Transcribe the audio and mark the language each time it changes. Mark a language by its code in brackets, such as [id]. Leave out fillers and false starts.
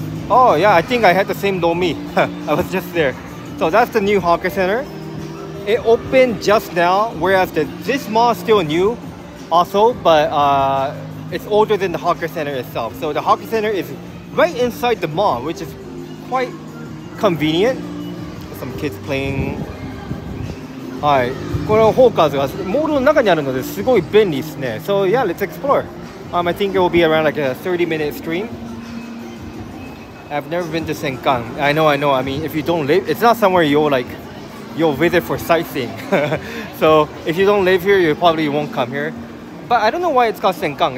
[en] Oh yeah, I think I had the same Domi. I was just there.So that's the new Hawker Center. It opened just now, whereas this mall is still new also, but it's older than the hawker center itself. So the hawker center is right inside the mall, which is quite convenient. Some kids playing. [ja] これはホーカーズがモールの中にあるのですごい便利ですね。 [en] So yeah, let's explore. I think it will be around like a 30-minute stream. I've never been to Sengkang. I know. I mean, if you don't live, it's not somewhere you'll like, you'll visit for sightseeing. So if you don't live here, you probably won't come here. But I don't know why it's called Sengkang.